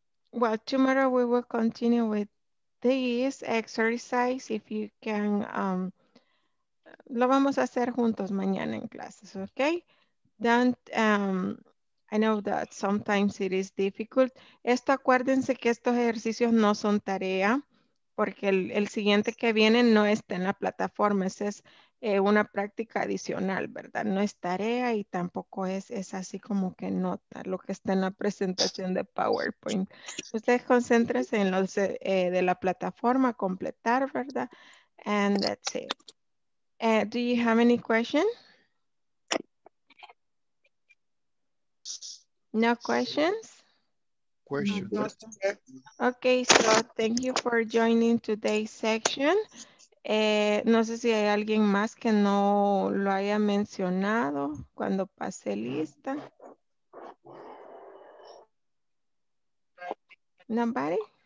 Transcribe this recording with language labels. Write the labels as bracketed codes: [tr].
[en] Well, tomorrow we will continue with this exercise. If you can, [es] lo vamos a hacer juntos mañana en clases, okay? [en] Don't, I know that sometimes it is difficult. [es] Esto, acuérdense que estos ejercicios no son tarea, porque el siguiente que viene no está en la plataforma. Ese es una práctica adicional, ¿verdad? No es tarea y tampoco es así como que nota lo que está en la presentación de PowerPoint. Ustedes concéntrense en los de la plataforma, completar, ¿verdad? [en] And that's it. Do you have any question? No questions? Questions. Okay, so thank you for joining today's section. [es] No sé si hay alguien más que no lo haya mencionado cuando pase lista. [en] Nobody?